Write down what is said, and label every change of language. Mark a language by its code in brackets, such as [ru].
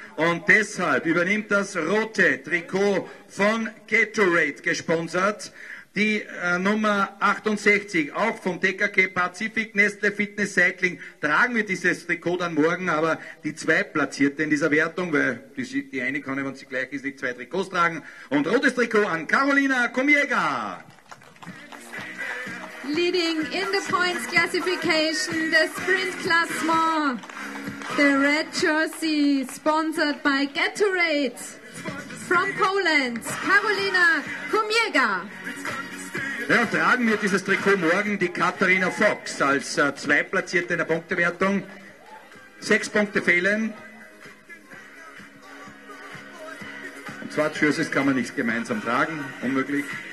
[de] Und deshalb übernimmt das rote Trikot von Gatorade gesponsert die Nummer 68, auch vom DKK Pacific Nestle Fitness Cycling, tragen wir dieses Trikot dann morgen, aber die Zweitplatzierte in dieser Wertung, weil die eine kann, wenn sie gleich ist, nicht zwei Trikots tragen. Und rotes Trikot an Karolina Kumiega. [en] Leading in the points classification, the Sprint Classement, the red jersey, sponsored by Gatorade. From Poland, Karolina Kumiega. [de] Ja, tragen wir dieses Trikot morgen die Katharina Fox als Zweitplatzierte in der Punktewertung. 6 Punkte fehlen. Und zwar Jerseys kann man nicht gemeinsam tragen, unmöglich.